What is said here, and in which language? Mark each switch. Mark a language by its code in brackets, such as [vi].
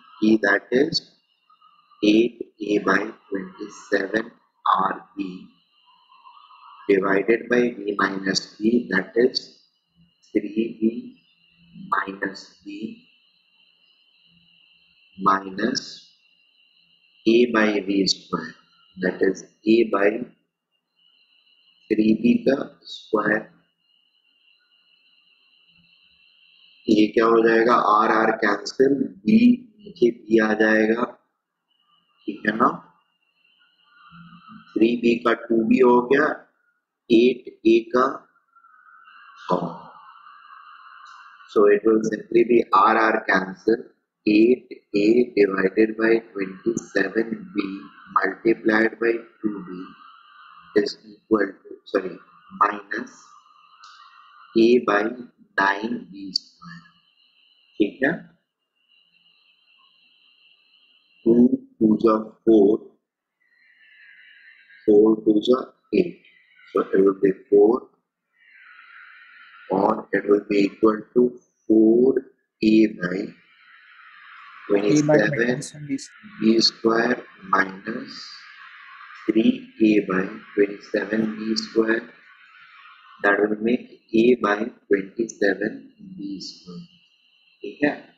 [en] T that is 8A by 27 RB divided by V minus B, that is 3B minus B minus A by V square, that is A by 3B [hi] का square, ये क्या हो जाएगा, [en] R R cancel, B [hi] नीचे B आ जाएगा, ठीक है ना। 3b का 2b हो गया, 8a का 100, [en] So it will simply be R R cancel. 8a divided by 27b multiplied by 2b is equal to, sorry minus a by 9b square, [hi] ठीक है। [en] 2 2 4, 4 2 8, so it will be 4, or it will be equal to 4a by 27b square minus 3a by 27b square, that will make a by 27b square, [hi] ठीक है।